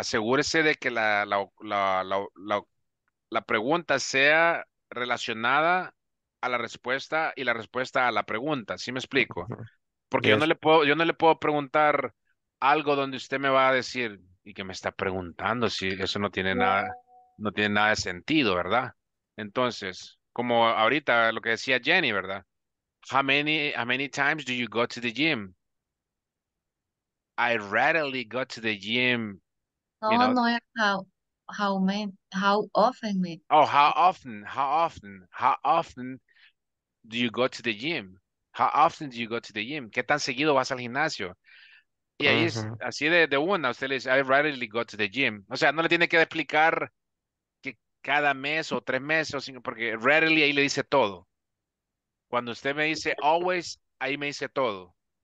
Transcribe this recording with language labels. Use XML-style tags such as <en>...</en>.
<es>Asegúrese de que la pregunta sea relacionada a la respuesta y la respuesta a la pregunta. ¿Sí me explico? Porque yes. yo no le puedo preguntar algo donde usted me va a decir y que me está preguntando si eso no tiene nada de sentido, ¿verdad? Entonces, como ahorita lo que decía Jenny, ¿verdad?</es> <en>How many times do you go to the gym? I rarely go to the gym. No, you know? How often? Oh, how often? How often do you go to the gym? How often do you go to the gym?</en> <es>¿Qué tan seguido vas al gimnasio? Y ahí es así de una. Usted le dice,</es> <en>I rarely go to the gym.</en> <es>O sea, no le tiene que explicar que cada mes o tres meses, o cinco, porque rarely ahí le dice todo. Cuando usted me dice always, ahí me dice todo.</es>